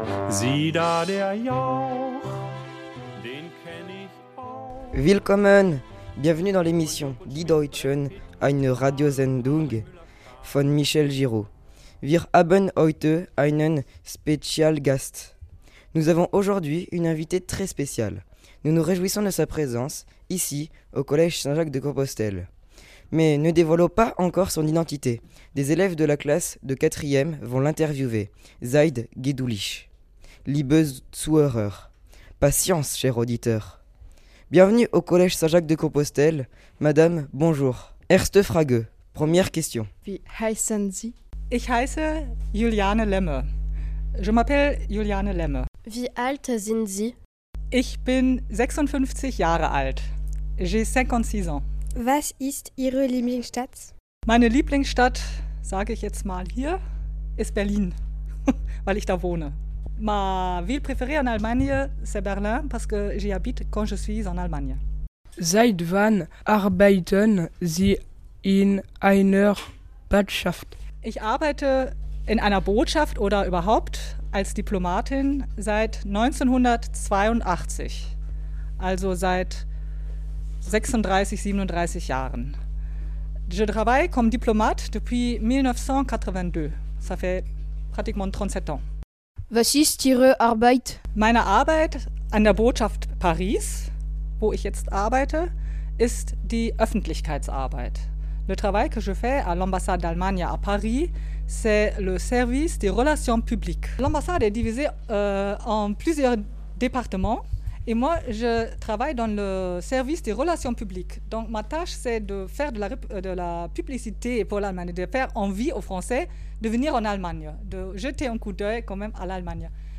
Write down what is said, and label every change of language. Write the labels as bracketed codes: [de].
[de] Sieh da der Jauch, den kenn ich auch. Willkommen, [fr] bienvenue dans l'émission [de] Die Deutschen, eine Radiosendung von Michel Giroux. Wir haben heute einen Spezialgast. [fr] Nous avons aujourd'hui une invitée très spéciale. Nous nous réjouissons de sa présence, ici, au Collège Saint-Jacques de Compostelle. Mais ne dévoilons pas encore son identité. Des élèves de la classe de 4e vont l'interviewer, [de] Zaid Gedoulich, Liebe Zuhörer. [fr] Patience, cher auditeur. Bienvenue au Collège Saint-Jacques de Compostelle. Madame, bonjour. [de] Erste Frage, [fr] première question. [de] Wie heißen Sie? Ich heiße Juliane Lemme. [fr] Je m'appelle Juliane Lemme. [de] Wie alt sind Sie? Ich bin 56 Jahre alt. [fr] J'ai 56 ans. [de] Was ist Ihre Lieblingsstadt? Meine Lieblingsstadt, sage ich jetzt mal hier, ist Berlin, weil ich da wohne. [fr] Ma ville préférée en Allemagne, c'est Berlin, parce que j'y habite quand je suis en Allemagne. [de] Seit wann arbeiten Sie in einer Botschaft? Ich arbeite in einer Botschaft oder überhaupt als Diplomatin seit 1982, also seit 36, 37 Jahren. [fr] Je travaille comme diplomate depuis 1982. Ça fait pratiquement 37 ans. Was ist Ihre Arbeit? Meine Arbeit an der Botschaft Paris, wo ich jetzt arbeite, ist die Öffentlichkeitsarbeit. Le travail que je fais à l'ambassade d'Allemagne à Paris, c'est le service des relations publiques. L'ambassade est divisée en plusieurs départements. Et moi, je travaille dans le service des relations publiques. Donc, ma tâche, c'est de faire de la publicité pour l'Allemagne, de faire envie aux Français de venir en Allemagne, de jeter un coup d'œil quand même à l'Allemagne.